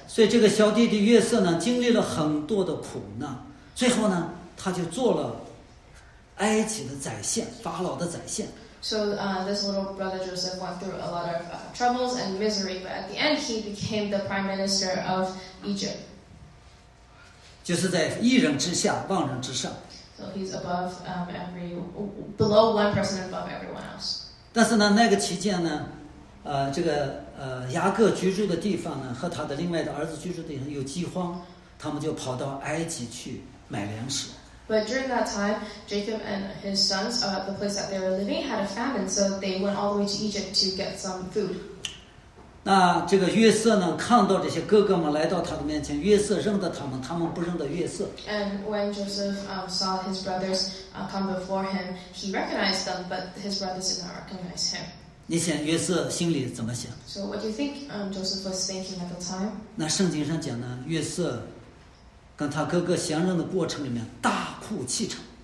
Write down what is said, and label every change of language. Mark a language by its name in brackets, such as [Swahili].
[Chinese] 所以这个小弟弟约瑟呢，经历了很多的苦难，最后呢，他就做了埃及的宰相，法老的宰相。 [English] So this little brother Joseph went through a lot of troubles and misery, but at the end he became the prime minister of Egypt. [Chinese] 就是在一人之下，万人之上。 [English] So he's above below one person and above everyone else. [Chinese] 但是呢，那个期间呢，这个雅各居住的地方呢，和他的另外的儿子居住的地方有饥荒，他们就跑到埃及去买粮食。 [English] But during that time, Jacob and his sons, the place that they were living had a famine, so they went all the way to Egypt to get some food. [Chinese] 那这个约瑟呢，看到这些哥哥们来到他的面前，约瑟认得他们，他们不认得约瑟。 [English] And when Joseph saw his brothers come before him, he recognized them, but his brothers did not recognize him. [Chinese] 你想约瑟心里怎么想 [English] ？So what do you think Joseph was thinking at the time? [Chinese] 那圣经上讲呢，约瑟跟他哥哥相认的过程里面大哭泣成。